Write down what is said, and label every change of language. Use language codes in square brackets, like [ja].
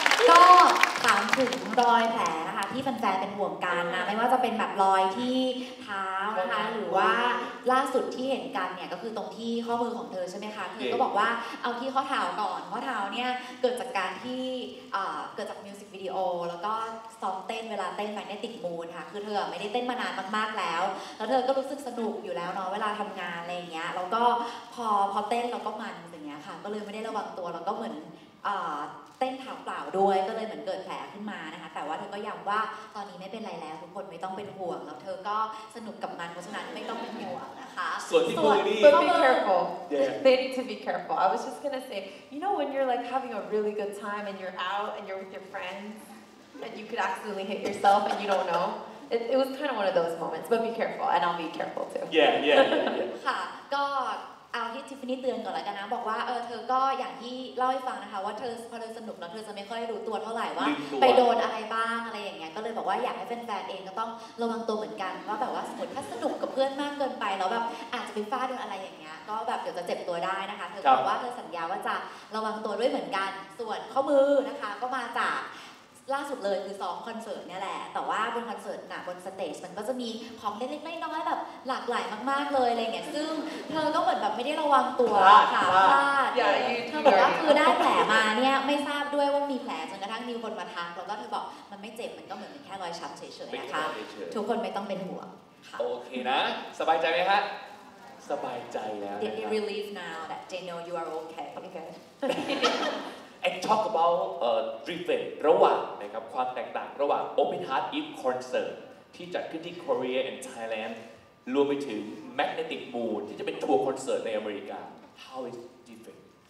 [th] ก็ถามถึงรอยแผลนะคะที่แฟนๆเป็นห่วงกันนะไม่ว่าจะเป็นแบบรอยที่เท้านะคะหรือว่าล่าสุดที่เห็นกันเนี่ยก็คือตรงที่ข้อมือของเธอใช่ไหมคะเธอก็บอกว่าเอาที่ข้อเท้าก่อนข้อเท้าเนี่ยเกิดจากการที่เกิดจากมิวสิกวิดีโอแล้วก็ซ้อมเต้นเวลาเต้นแมกเนติกมูนค่ะคือเธอไม่ได้เต้นมานานมากๆแล้วแล้วเธอก็รู้สึกสนุกอยู่แล้วเนาะเวลาทำงานอะไรอย่างเงี้ยแล้วก็พอเต้นเราก็มันอย่างเงี้ยค่ะก็เลยไม่ได้ระวังตัวแล้วก็เหมือน เต้นเท้าเปล่าด้วยก็เลยเหมือนเกิดแผลขึ้นมานะคะแต่ว่าเธอก็ย้ำว่าตอนนี้ไม่เป็นไรแล้วทุกคนไม่ต้องเป็นห่วงแล้วเธอก็สนุกกับมันเพราะฉะนั้นไม่ต้องเป็นห่วงนะคะ ส่วนที่มือนี่ [en] but be careful they need to be careful I was just gonna say you know when you're like having a really good time and you're out and you're with your friends and you could accidentally hit yourself and you don't know it was kind of one of those moments but be careful and I'll be careful too yeah [th] ค่ะก็ เอาที่ทิฟฟานี่เตือนก่อนละกันนะบอกว่าเออเธอก็อย่างที่เล่าให้ฟังนะคะว่าเธอพอเธอสนุกแล้วเธอจะไม่ค่อยรู้ตัวเท่าไหร่ว่าไปโดนอะไรบ้างอะไรอย่างเงี้ยก็เลยบอกว่าอยากให้แฟนๆเองก็ต้องระวังตัวเหมือนกันว่าแบบว่าสมมติถ้าสนุกกับเพื่อนมากเกินไปแล้วแบบอาจจะไปฟาดโดนอะไรอย่างเงี้ยก็แบบเดี๋ยวจะเจ็บตัวได้นะคะเธอบอกว่าเธอสัญญาว่าจะระวังตัวด้วยเหมือนกันส่วนข้อมือนะคะก็มาจาก ล่าสุดเลยคือซ้อมคอนเสิร์ตเนี่ยแหละแต่ว่าบนคอนเสิร์ตน่ะบนสเตจมันก็จะมีของเล็กๆน้อยๆแบบหลากหลายมากๆเลยอะไรเงี้ยซึ่งเธอก็เหมือนแบบไม่ได้ระวังตัวค่ะพลาดเธอบอกว่าคือได้แผลมาเนี่ยไม่ทราบด้วยว่ามีแผลจนกระทั่งมีคนมาทักแล้วก็เธอบอกมันไม่เจ็บมันก็เหมือนแค่รอยช้ำเฉยๆนะคะทุกคนไม่ต้องเป็นห่วง โอเคนะสบายใจไหมฮะสบายใจแล้วนะครับ [en] Did you relief now that they know you are okay okay And talk about drifting [th] ระหว่างนะครับความแตกต่างระหว่าง Open Heart Eve Concert ที่จัดขึ้นที่ [en] Korea and Thailand [th] รวมไปถึง Magnetic Moon ที่จะเป็นทัวร์คอนเสิร์ตในอเมริกา [en] How is different